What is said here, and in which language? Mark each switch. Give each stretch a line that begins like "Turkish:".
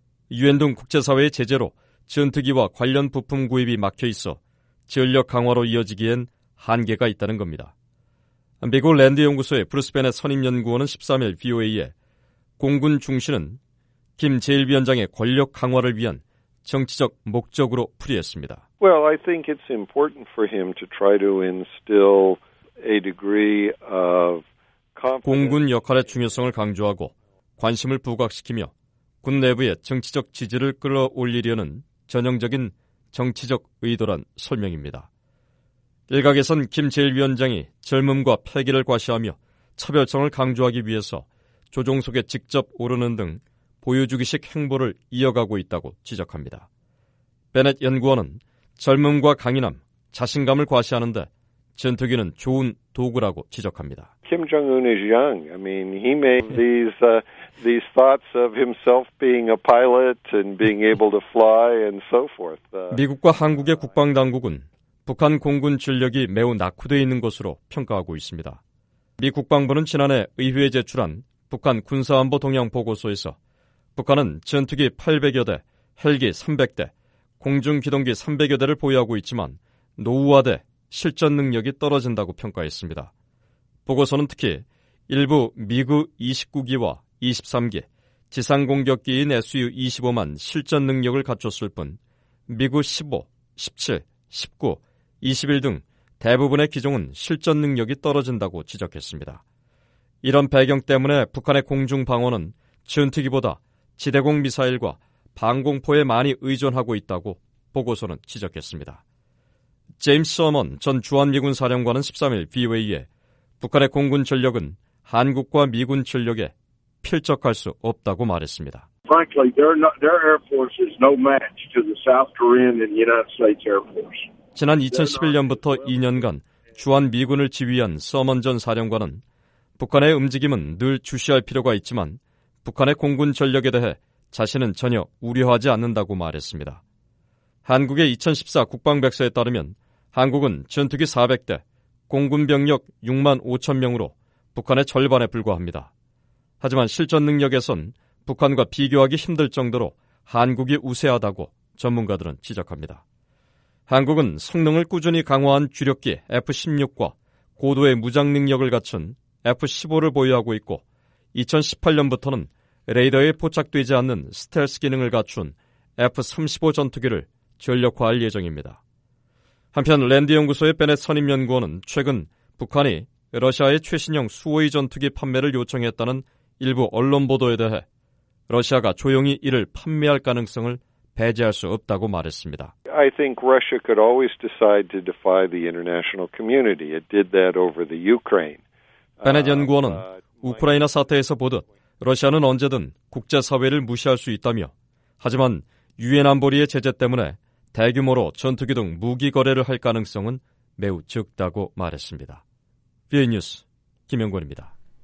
Korean: 유엔 등 국제사회의 제재로 전투기와 관련 부품 구입이 막혀 있어 전력 강화로 이어지기엔 한계가 있다는 겁니다. 미국 랜드연구소의 브루스벤의 선임연구원은 13일 VOA에 공군 중시는 김 제1위원장의 권력 강화를 위한 정치적 목적으로 풀이했습니다.
English: Well, I think it's important for him to try to instill a degree of
Korean: 공군 역할의 중요성을 강조하고 관심을 부각시키며 군 내부의 정치적 지지를 끌어올리려는 전형적인 정치적 의도란 설명입니다. 일각에선 김 제1위원장이 젊음과 패기를 과시하며 차별성을 강조하기 위해서 조종석에 직접 오르는 등 보여주기식 행보를 이어가고 있다고 지적합니다. 베넷 연구원은 젊음과 강인함, 자신감을 과시하는 데 전투기는 좋은 도구라고 지적합니다.
English: Kim Jong-un is young. I mean, he made these thoughts of himself being a pilot and being able to fly and so forth.
Korean: 미국과 한국의 국방당국은 북한 공군 전력이 매우 낙후되어 있는 것으로 평가하고 있습니다. 미 국방부는 지난해 의회에 제출한 북한 군사안보 동향 보고서에서 북한은 전투기 800여 대, 헬기 300대, 공중기동기 300여 대를 보유하고 있지만 노후화돼 실전 능력이 떨어진다고 평가했습니다. 보고서는 특히 일부 미그 29기와 23기, 지상공격기인 SU-25만 실전 능력을 갖췄을 뿐 미그 15, 17, 19, 21 등 대부분의 기종은 실전 능력이 떨어진다고 지적했습니다. 이런 배경 때문에 북한의 공중방어는 전투기보다 지대공 미사일과 방공포에 많이 의존하고 있다고 보고서는 지적했습니다. 제임스 서먼 전 주한미군 사령관은 13일 VOA에 북한의 공군 전력은 한국과 미군 전력에 필적할 수 없다고 말했습니다.
English: Frankly, their air force is no match to the South Korean and United States Air Force.
Korean: 지난 2011년부터 2년간 주한미군을 지휘한 서먼 전 사령관은 북한의 움직임은 늘 주시할 필요가 있지만 북한의 공군 전력에 대해 자신은 전혀 우려하지 않는다고 말했습니다. 한국의 2014 국방백서에 따르면 한국은 전투기 400대, 공군 병력 6만 5천 명으로 북한의 절반에 불과합니다. 하지만 실전 능력에선 북한과 비교하기 힘들 정도로 한국이 우세하다고 전문가들은 지적합니다. 한국은 성능을 꾸준히 강화한 주력기 F-16과 고도의 무장 능력을 갖춘 F-15를 보유하고 있고 2018년부터는 레이더에 포착되지 않는 스텔스 기능을 갖춘 F-35 전투기를 전력화할 예정입니다. 한편 랜드연구소의 베넷 선임연구원은 최근 북한이 러시아의 최신형 수호의 전투기 판매를 요청했다는 일부 언론 보도에 대해 러시아가 조용히 이를 판매할 가능성을 배제할 수 없다고 말했습니다.
English: I think Russia could always decide to defy the international community. It did that over the Ukraine.
Korean: 베넷 연구원은 우크라이나 사태에서 보듯 러시아는 언제든 국제사회를 무시할 수 있다며 하지만 유엔 안보리의 제재 때문에 대규모로 전투기 등 무기 거래를 할 가능성은 매우 적다고 말했습니다. VOA 뉴스 김영권입니다.